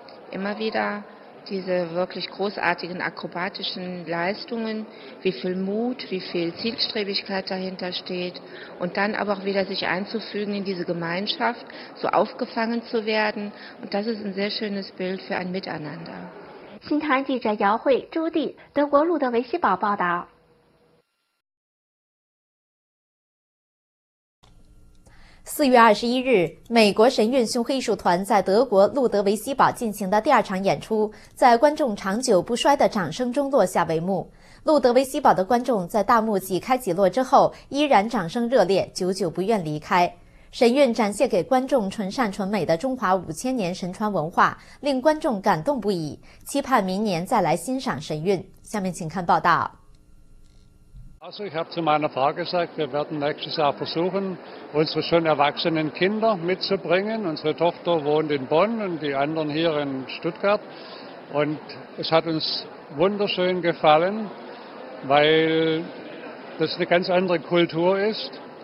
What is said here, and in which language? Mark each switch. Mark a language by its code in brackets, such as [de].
[de] immer wieder diese wirklich großartigen akrobatischen Leistungen, wie viel Mut, wie viel Zielstrebigkeit dahinter steht und dann aber auch wieder sich einzufügen in diese Gemeinschaft, so aufgefangen zu werden. Und das ist ein sehr schönes Bild für ein Miteinander. [zh] 新唐记者姚慧、朱棣，德国路德维希堡报道。 4月21日，美国神韵胸黑艺术团在德国路德维希堡进行的第二场演出，在观众长久不衰的掌声中落下帷幕。路德维希堡的观众在大幕挤开挤落之后，依然掌声热烈，久久不愿离开。神韵展现给观众纯善纯美的中华5000年神传文化，令观众感动不已，期盼明年再来欣赏神韵。下面请看报道。 [de] Also ich habe zu meiner Frau gesagt, wir werden nächstes Jahr versuchen, unsere schon erwachsenen Kinder mitzubringen. Unsere Tochter wohnt in Bonn und die anderen hier in Stuttgart. Und es hat uns wunderschön gefallen, weil das eine ganz andere Kultur ist.